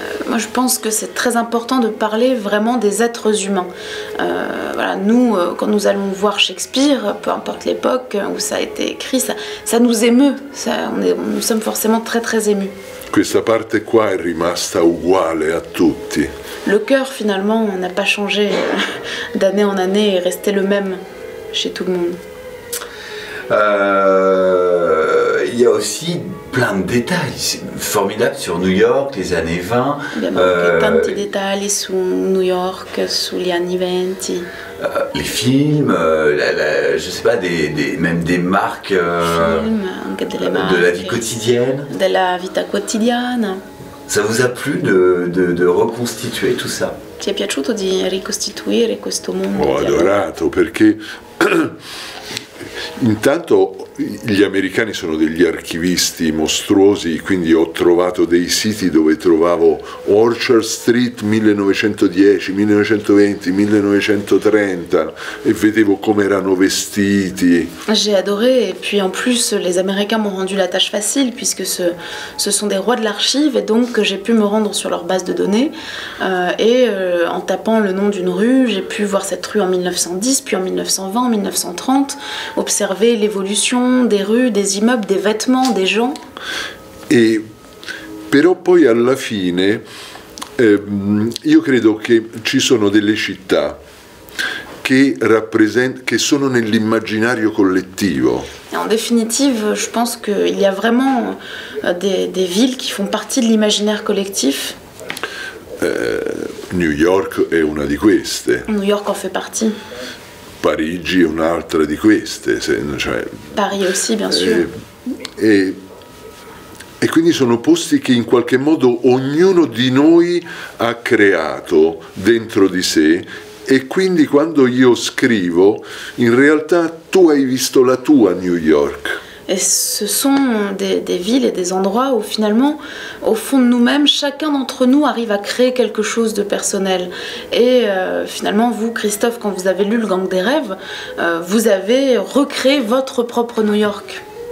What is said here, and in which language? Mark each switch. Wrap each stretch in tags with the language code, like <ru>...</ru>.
<fr>Moi, je pense que c'est très important de parler vraiment des êtres humains. Voilà, nous, quand nous allons voir Shakespeare, peu importe l'époque où ça a été écrit, ça nous émeut. Nous sommes forcément très très émus.</fr> <it>Questa parte qua è rimasta uguale a tutti.</it> <fr>Le cœur, finalement, n'a pas changé d'année en année et resté le même chez tout le monde. Il y a aussi plein de détails formidables sur New York, les années 20. Il y a</fr> <it>tanti dettagli su New York, sugli anni 20.</it> <fr>Les films, je sais pas, même des marques, marques de la vie quotidienne. De la</fr> <it>vita quotidiana.</it> <fr>Ça vous a plu de reconstituer tout ça?</fr> <it>Ti è piaciuto di ricostituire questo mondo? Ho adorato perché intanto gli americani sono degli archivisti mostruosi, quindi ho trovato dei siti dove trovavo Orchard Street 1910, 1920, 1930 e vedevo come erano vestiti.</it> <fr>J'ai adoré et puis en plus les Américains m'ont rendu la tâche facile puisque ce sont des rois de l'archive et donc j'ai pu me rendre sur leur base de données en tapant le nom d'une rue, j'ai pu voir cette rue en 1910, puis en 1920, 1930, observer l'évolution des rues, des immeubles, des vêtements, des gens.</fr> <it>Et però poi alla fine io credo che ci sono delle città che rappresentano, che sono nell'immaginario collettivo.</it> <fr>En définitive, je pense qu'il y a vraiment des villes qui font partie de l'imaginaire collectif.</fr> <it>New York è una di queste.</it> <fr>New York en fait partie.</fr> <it>Parigi è un'altra di queste, cioè,</it> <fr>Parigi aussi, bien sûr.</fr> <it>E quindi sono posti che in qualche modo ognuno di noi ha creato dentro di sé e quindi quando io scrivo, in realtà tu hai visto la tua New York.</it> <fr>Et ce sont des villes et des endroits où finalement, au fond de nous-mêmes, chacun d'entre nous arrive à créer quelque chose de personnel. Et finalement, vous, Christophe, quand vous avez lu Le Gang des Rêves, vous avez recréé votre propre New York.</fr>